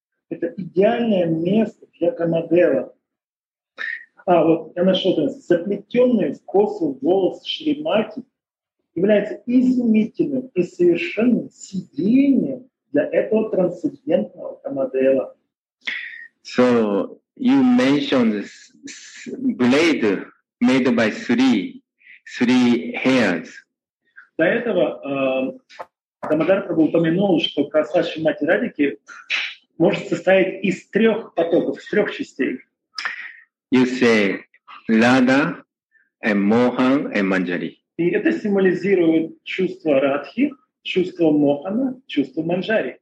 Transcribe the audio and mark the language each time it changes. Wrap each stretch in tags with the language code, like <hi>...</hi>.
<ru>Это идеальное место для Камадева. А вот я нашел там заплетенные в косу волосы Шримати является изумительным и совершенным сидением для этого трансцендентного Камадева.</ru> <en>So you mentioned this blade made by three hairs.</en> <ru>До этого Дамодар Прабху упомянул, что коса Шримати Радхики может состоять из трех потоков, из трех частей.</ru> <en>You say Radha, and Mohan, and Manjari.</en> <ru>И это символизирует чувство Радхи, чувство Мохана, чувство Манджари.</ru>